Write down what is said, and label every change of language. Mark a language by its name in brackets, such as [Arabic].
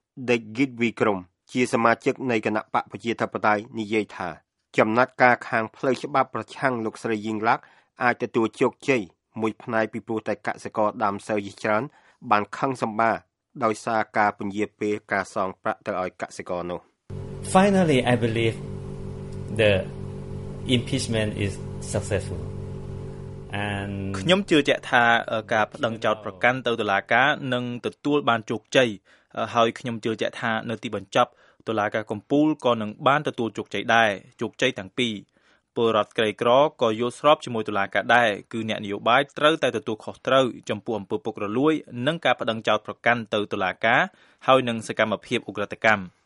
[Khmer] ដេកគីតវីក្រមជាសមាជិកនៃគណៈបកប្រជាធិបតេយ្យនិយាយថាចំណាត់ការខាងផ្លូវច្បាប់ប្រឆាំងលោកស្រីយីងឡាក់អាចទទួលជោគជ័យមួយផ្នែកពីព្រោះតែកសិករដាំស្រូវជាច្រើនបានខឹងសម្បាដោយសារការពន្យារពេលការសងប្រាក់ទៅឲ្យកសិករនោះ [English] Finally I believe theImpeachment is successful. And [Khmer] ខ្ញុំជឿជាក់ថាការប្តឹងចោទប្រកាន់ទៅតុលាការនឹងទទួលបានជោគជ័យហើយខ្ញុំជឿជាក់ថានៅទីបញ្ចប់តុលាការកំពូលក៏នឹងបានទទួលជោគជ័យដែរជោគជ័យទាំងពីរពលរដ្ឋក្រីក្រក៏យល់ស្របជាមួយតុលាការដែរគឺអ្នកនយោបាយត្រូវតែទទួលខុសត្រូវចំពោះអំពើពុករលួយនិងការប្តឹងចោទប្រកាន់ទៅតុលាការហើយនឹងសកម្មភាពឧក្រិដ្ឋកម្ម